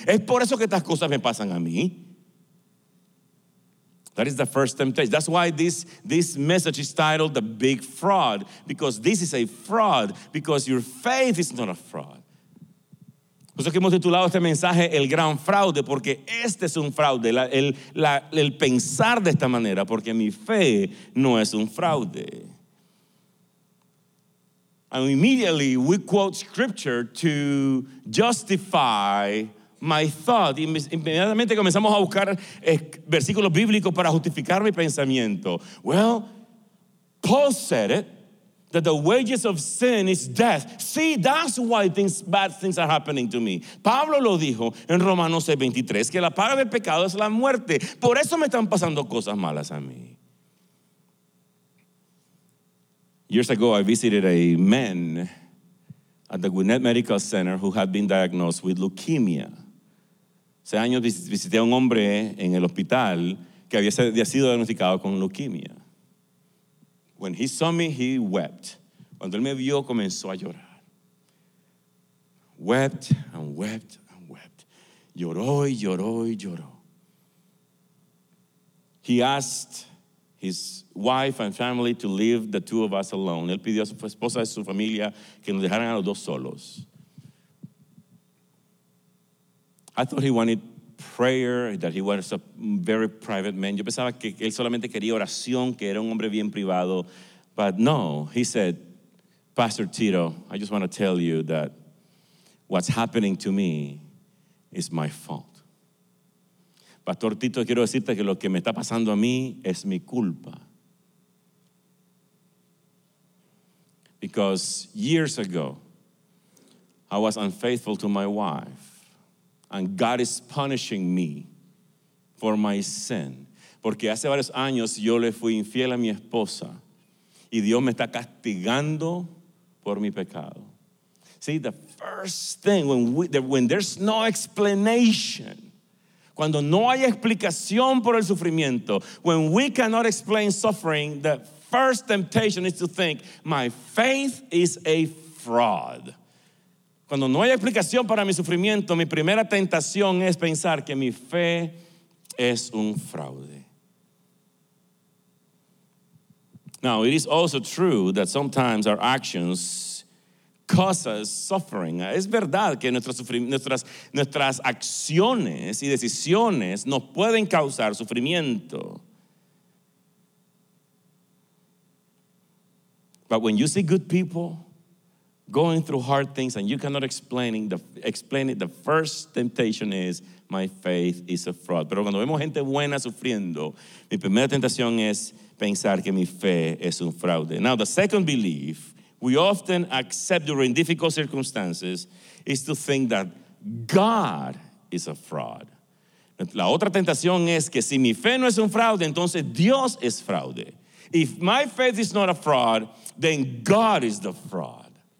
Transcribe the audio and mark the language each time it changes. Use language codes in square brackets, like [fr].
[es] Es por eso que estas cosas me pasan a mí. [en] That is the first temptation. That's why this message is titled The Big Fraud, because this is a fraud, because your faith is not a fraud. [es] Por eso que hemos titulado este mensaje El Gran Fraude, porque este es un fraude, el pensar de esta manera, porque mi fe no es un fraude. [en] And immediately we quote scripture to justify my thought. [es] Inmediatamente comenzamos a buscar versículos bíblicos para justificar mi pensamiento. [en] Well, Paul said it, that the wages of sin is death. See, that's why bad things are happening to me. [es] Pablo lo dijo en Romanos 6:23, que la paga del pecado es la muerte. Por eso me están pasando cosas malas a mí. [en] Years ago, I visited a man at the Gwinnett Medical Center who had been diagnosed with leukemia. [es] Hace años visité a un hombre en el hospital que había sido diagnosticado con leucemia. [en] When he saw me, he wept. [es] Cuando él me vio, comenzó a llorar. [en] Wept and wept and wept. [es] Lloró y lloró y lloró. [en] He asked his wife and family to leave the two of us alone. [es] Él pidió a su esposa y su familia que nos dejaran a los dos solos. [en] I thought he wanted prayer, that he was a very private man. [es] Yo pensaba que él solamente quería oración, que era un hombre bien privado. [en] But no, he said, Pastor Tito, I just want to tell you that what's happening to me is my fault. [es] Pastor Tito, quiero decirte que lo que me está pasando a mí es mi culpa. [en] Because years ago, I was unfaithful to my wife. And God is punishing me for my sin. [es] Porque hace varios años yo le fui infiel a mi esposa. Y Dios me está castigando por mi pecado. [en] See, the first thing, when there's no explanation, [es] cuando no hay explicación por el sufrimiento, [en] when we cannot explain suffering, the first temptation is to think, my faith is a fraud. [es] Cuando no hay explicación para mi sufrimiento, mi primera tentación es pensar que mi fe es un fraude. [en] Now, it is also true that sometimes our actions cause us suffering. [es] Es verdad que nuestras acciones y decisiones nos pueden causar sufrimiento. [en] But when you see good people going through hard things and you cannot explain it, the first temptation is, my faith is a fraud. [es] Pero cuando vemos gente buena sufriendo, mi primera tentación es pensar que mi fe es un fraude. [en] Now, the second belief we often accept during difficult circumstances is to think that God is a fraud. [es] La otra tentación es que si mi fe no es un fraude, entonces Dios es fraude. [en] If my faith is not a fraud, then God is the fraud.